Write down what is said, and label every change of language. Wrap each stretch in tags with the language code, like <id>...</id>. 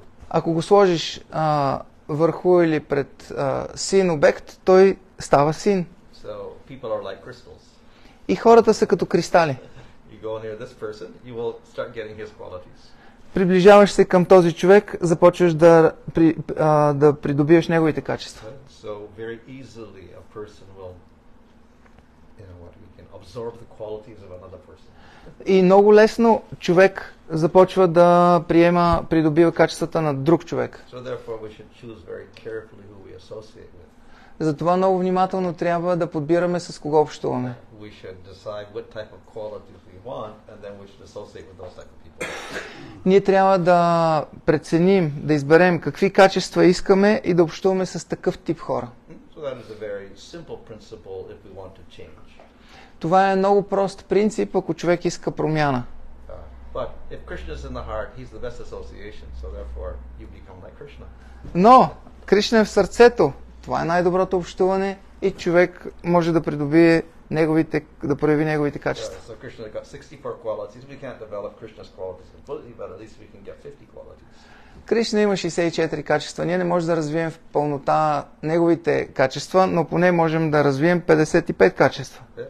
<bg>Ако го сложиш върху или пред син обект, той става син.</bg> <en>So people are like crystals.</en> <bg>И хората са като кристали.</bg> <en>You go near this person, you will start getting his qualities.</en> <bg>Приближаваш се към този човек, започваш да, да придобиваш неговите качества.</bg> <en>So very easily a person will, you know what, you can absorb the qualities of another person.</en> <bg>И много лесно човек започва да приема, придобива качествата на друг човек.</bg> <en>So therefore we should choose very carefully who we associate with.</en> <bg>Затова много внимателно трябва да подбираме с кого общуваме.</bg> <en>We should decide what type of qualities we want and then we should associate with those type of people.</en> <bg>Ние трябва да преценим, да изберем какви качества искаме и да общуваме с такъв тип хора.</bg> <en>So that is a very simple principle if we want to change.</en> <bg>Това е много прост принцип, ако човек иска промяна.</bg> <en>But if Krishna is in the heart, he's the best association, so therefore you become like Krishna.</en> <bg>Но Кришна е в сърцето. Това е най-доброто общуване и човек може да придобие неговите, да прояви неговите качества.</bg> <en>So Krishna got 64 qualities. We can't develop Krishna's qualities completely, but at least we can get 50 qualities.</en> <bg>Кришна има 64 качества. Ние не можем да развием в пълнота неговите качества, но поне можем да развием 55 качества.</bg>